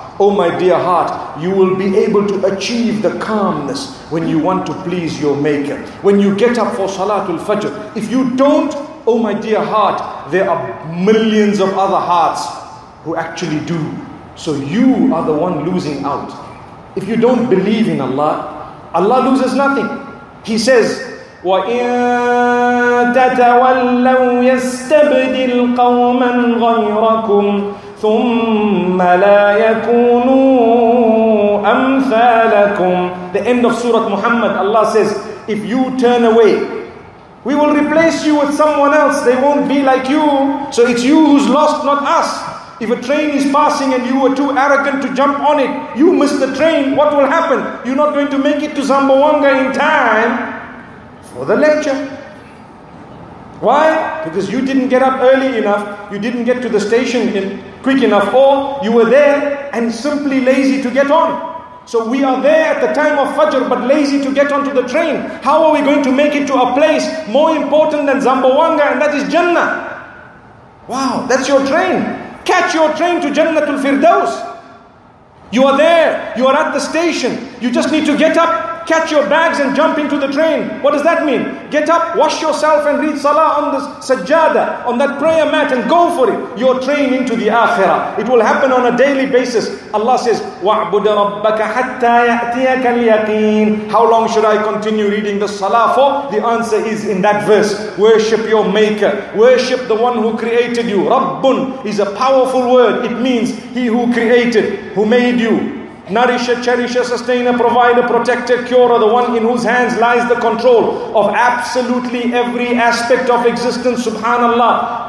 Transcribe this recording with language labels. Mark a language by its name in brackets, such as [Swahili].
[English] Oh, my dear heart, you will be able to achieve the calmness when you want to please your maker. When you get up for Salatul Fajr, if you don't, oh, my dear heart, there are millions of other hearts who actually do. So you are the one losing out. If you don't believe in Allah, Allah loses nothing. [Arabic] He says, وَإِن تَتَوَلَّوْا يَسْتَبْدِلْ قَوْمًا غَيْرَكُمْ ثُمَّ لَا يَكُونُوا أَمْثَالَكُمْ. [English] The end of Surah Muhammad, Allah says, if you turn away, we will replace you with someone else. They won't be like you. So it's you who's lost, not us. If a train is passing and you were too arrogant to jump on it, you miss the train, what will happen? You're not going to make it to Zamboanga in time for the lecture. Why? Because you didn't get up early enough, you didn't get to the station quick enough, or you were there and simply lazy to get on. So we are there at the time of Fajr but lazy to get onto the train. How are we going to make it to a place more important than Zamboanga, and that is Jannah? Wow, that's your train. Catch your train to Jannatul Firdaus. You are there, you are at the station, you just need to get up, catch your bags and jump into the train. What does that mean? Get up, wash yourself and read salah on the sajjada, on that prayer mat, and go for it. Your train into the akhirah. It will happen on a daily basis. [Arabic] Allah says, وَعْبُدَ رَبَّكَ حَتَّى يَأْتِيَكَ الْيَقِينَ. [English] How long should I continue reading the salah for? The answer is in that verse. Worship your maker. Worship the one who created you. رَبٌّ is a powerful word. It means he who created, who made you. Nourisher, cherisher, sustainer, provider, protector, curer, the one in whose hands lies the control of absolutely every aspect of existence, subhanallah.